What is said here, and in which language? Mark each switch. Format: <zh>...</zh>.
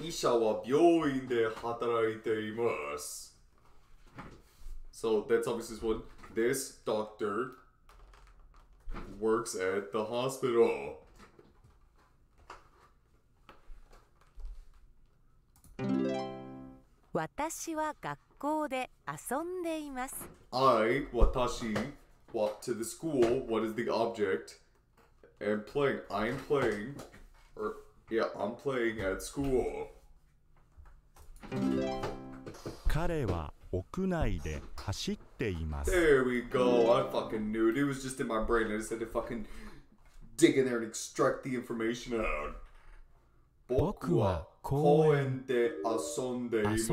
<ja>医者は病院で働いています。</ja> <en>So that's obviously what this doctor works at the hospital.</en> <ja>私は学校で遊んでいます。</ja> <en>私 walk to the school. What is the object? And playing. I'm playing. Yeah, I'm playing at school.</en> <ja>彼は屋内で走っています。</ja> <en>There we go. I fucking knew it. It was just in my brain. I just had to fucking dig in there and extract the information out.</en> <ja>僕は公園で遊んでいます。</ja>